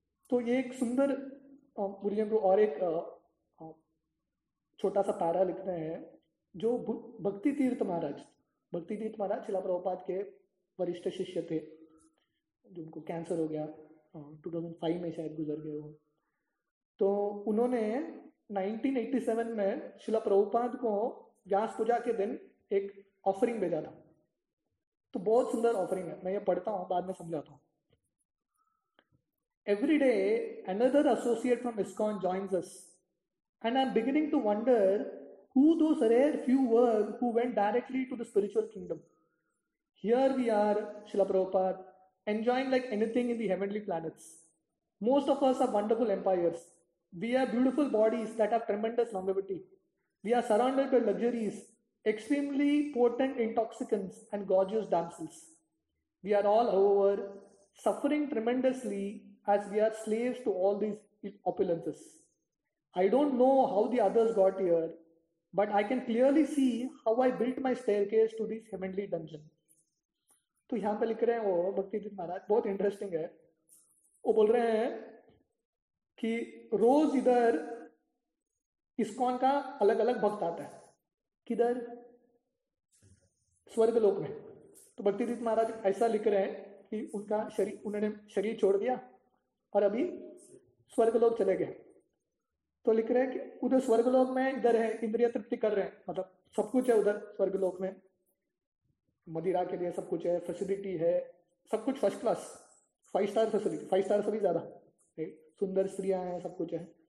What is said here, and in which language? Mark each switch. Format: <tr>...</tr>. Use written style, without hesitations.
<hi>तो ये एक सुंदर और एक छोटा सा पैरा लिख रहे हैं, जो भक्ति तीर्थ महाराज, भक्ति तीर्थ महाराज श्रील प्रभुपाद के वरिष्ठ शिष्य थे, जिनको कैंसर हो गया, 2005 में शायद गुजर गए हो। तो उन्होंने 1987 में श्रील प्रभुपाद को व्यास पूजा के दिन एक ऑफरिंग भेजा था, तो बहुत सुंदर ऑफरिंग है, मैं ये पढ़ता हूँ बाद में समझाता हूँ।</hi> <en>Every day, another associate from ISKCON joins us, and I'm beginning to wonder who those rare few were who went directly to the spiritual kingdom. Here we are, Srila Prabhupada, enjoying like anything in the heavenly planets. Most of us are wonderful empires. We have beautiful bodies that have tremendous longevity. We are surrounded by luxuries, extremely potent intoxicants, and gorgeous damsels. We are all, however, suffering tremendously, as we are slaves to all these opulences. I don't know how the others got here, but I can clearly see how I built my staircase to this heavenly dungeon.</en> <hi>तो यहाँ पे लिख रहे हैं वो भक्ति दिन महाराज, बहुत इंटरेस्टिंग है, वो बोल रहे हैं कि रोज इधर इस्कॉन का अलग अलग भक्त आता है, किधर, स्वर्ग लोक में। तो भक्ति दिन महाराज ऐसा लिख रहे हैं कि उनका शरीर, उन्होंने शरीर छोड़ दिया और अभी स्वर्गलोक चले गए, तो लिख रहे हैं कि उधर स्वर्गलोक में इधर है इंद्रिय तृप्ति कर रहे हैं, मतलब सब कुछ है उधर स्वर्गलोक में, मदिरा के लिए सब कुछ है, फैसिलिटी है, सब कुछ first class, five star facility, five star से भी ज्यादा, सुंदर स्त्रियां हैं, सब कुछ है।</hi>